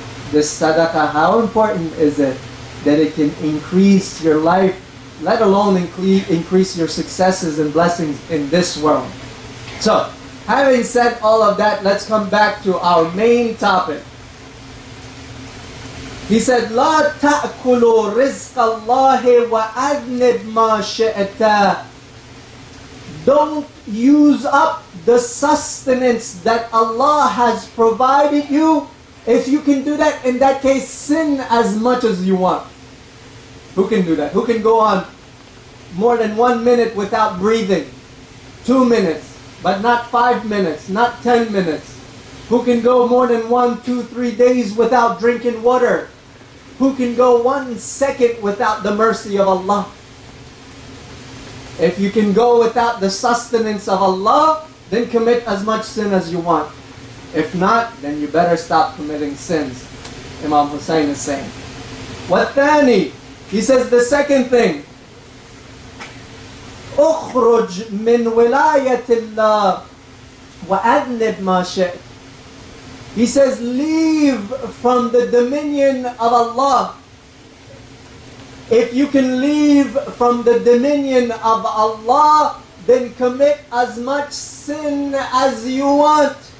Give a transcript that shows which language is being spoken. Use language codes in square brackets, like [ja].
[en] This sadaqah, how important is it that it can increase your life, let alone increase your successes and blessings in this world? So, having said all of that, let's come back to our main topic. He said, [ar] لا تأكلوا رزق الله وأذنب ما شئت. [en] Don't use up the sustenance that Allah has provided you. If you can do that, in that case, sin as much as you want. Who can do that? Who can go on more than 1 minute without breathing? 2 minutes, but not 5 minutes, not 10 minutes. Who can go more than 1, 2, 3 days without drinking water? Who can go 1 second without the mercy of Allah? If you can go without the sustenance of Allah, then commit as much sin as you want. If not, then you better stop committing sins, Imam Hussein is saying. Wathani, he says the second thing. [ar] أخرج من ولاية الله وأذنب ما شئت. [en] He says, leave from the dominion of Allah. If you can leave from the dominion of Allah, then commit as much sin as you want.